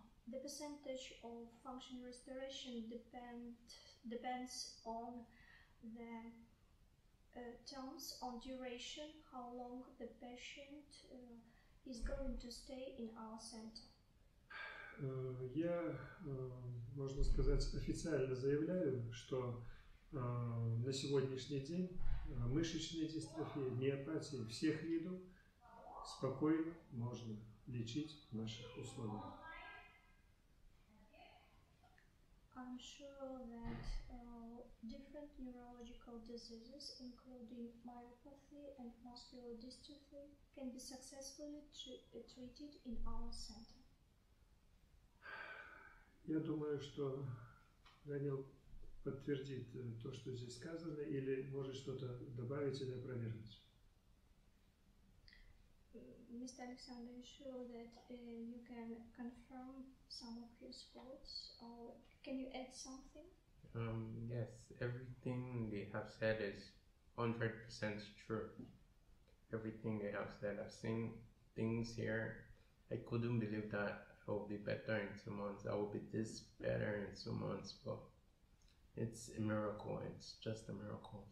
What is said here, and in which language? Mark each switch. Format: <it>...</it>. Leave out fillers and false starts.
<en>The percentage of function restoration depends on the terms, on duration, how long the patient is going to stay in our center.</en> <ru>Я, можно сказать, официально заявляю, что на сегодняшний день мышечная дистрофия, миопатия всех видов спокойно можно лечить в наших условиях.</ru> <en>I'm sure that different neurological diseases, including myopathy and muscular dystrophy, can be successfully treated in our center.</en> <ru>Я думаю, что Данил подтвердит то, что здесь сказано, или может что-то добавить или опровергнуть.</ru> <en>Mr. Alexander, I'm sure that you can confirm some of his words, or can you add something? Yes, everything they have said is 100% true. Everything they have said, I've seen things here, I couldn't believe that I will be better in 2 months, I will be this better in 2 months, but it's a miracle, it's just a miracle.</en>